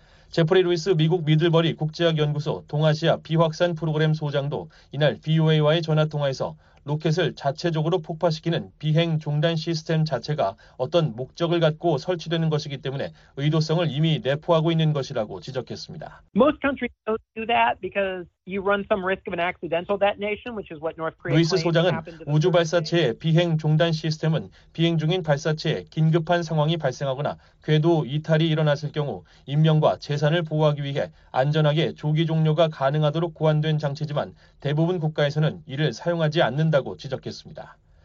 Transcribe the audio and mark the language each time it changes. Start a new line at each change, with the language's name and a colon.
Korean: 제프리 루이스 미국 미들버리 국제학연구소 동아시아 비확산 프로그램 소장도 이날 BOA와의 전화통화에서 로켓을 자체적으로 폭파시키는 비행 중단 시스템 자체가 어떤 목적을 갖고 설치되는 것이기 때문에 의도성을 이미 내포하고 있는 것이라고 지적했습니다.
English: Most countries don't do that because you run some risk of an accidental detonation, which is what North Korea.
Korean: 루이스 소장은 우주 발사체의 비행 중단 시스템은 비행 중인 발사체에 긴급한 상황이 발생하거나 궤도 이탈이 일어났을 경우 인명과 재산을 보호하기 위해 안전하게 조기 종료가 가능하도록 고안된 장치지만 대부분 국가에서는 이를 사용하지 않는다고 지적했습니다.